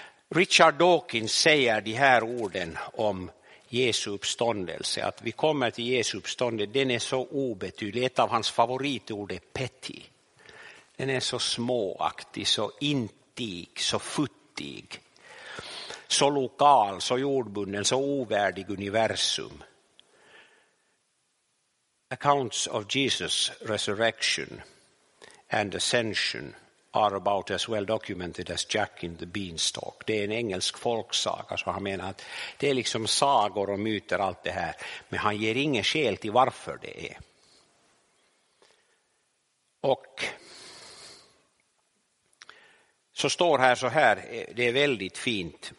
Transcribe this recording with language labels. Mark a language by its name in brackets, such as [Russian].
[Swedish] Richard Dawkins säger de här orden om Jesu uppståndelse, att vi kommer till Jesu uppståndelse, den är så obetydlig. Ett av hans favoritord är petty. Den är så småaktig, så intig, så futtig, så lokal, så jordbunden, så ovärdig universum. [English] Accounts of Jesus' resurrection and ascension are about as well documented as Jack in the Beanstalk. [Swedish] Det är en engelsk folksaga, så han menar att det är liksom sagor och myter allt det här, men han ger ingen skäl till varför det är. Och så står här så här, det är väldigt fint.